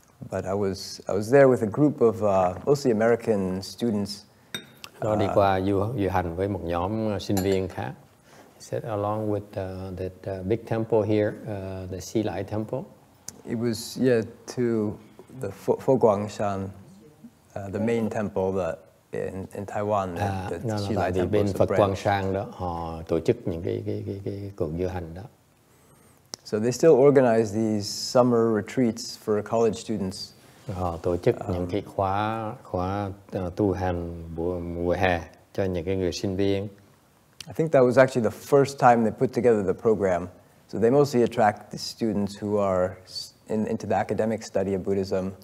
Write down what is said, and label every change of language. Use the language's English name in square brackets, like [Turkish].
[English] But I was there with a group of mostly American students. [Vietnamese] Đó đi qua du hành với một nhóm sinh viên khác. [English] said along with that big temple here, the Xilai temple. It was to the Foguangshan, the main temple that in Taiwan. [Vietnamese] Tại vì bên Phật Quang Sang đó họ tổ chức những cái cuộc diễu hành đó. [English] So they still organize these summer retreats for college students. [Vietnamese] Họ tổ chức những cái khóa tu hành mùa hè cho những cái người sinh viên. [English] I think that was actually the first time they put together the program. So they mostly attract the students who are into the academic study of Buddhism.